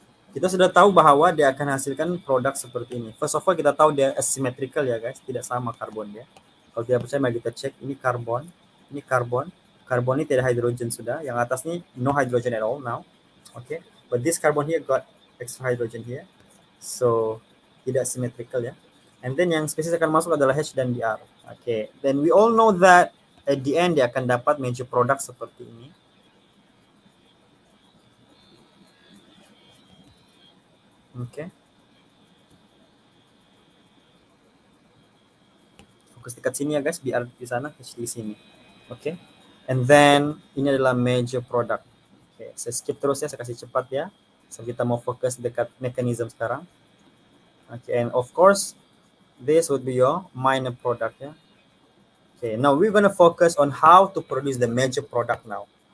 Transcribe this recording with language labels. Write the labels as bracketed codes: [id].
[ms] Kita sudah tahu bahwa dia akan hasilkan produk seperti ini. [en] First of all, [ms] kita tahu dia asymmetrical ya guys, tidak sama karbon dia. Kalau tidak percaya, mari kita cek ini karbon, ini karbon. Karbon ini tidak hidrogen sudah, yang atas ini [en] no hydrogen at all now. Okay, but this carbon here got extra hydrogen here. [ms] So, tidak symmetrical ya. And then yang spesies akan masuk adalah H dan Br. [en] Okay, then we all know that at the end [ms] dia akan dapat major produk seperti ini. Okay. Fokus dekat sini ya guys, Br di sana, H di sini. Okay. [en] And then [ms] ini adalah major product. Okay. Saya skip terus ya, saya kasih cepat ya. So kita mau fokus dekat mekanism sekarang. Okay. [en] And of course, this would be your minor product ya. Okay. Now we're gonna focus on how to produce the major product now.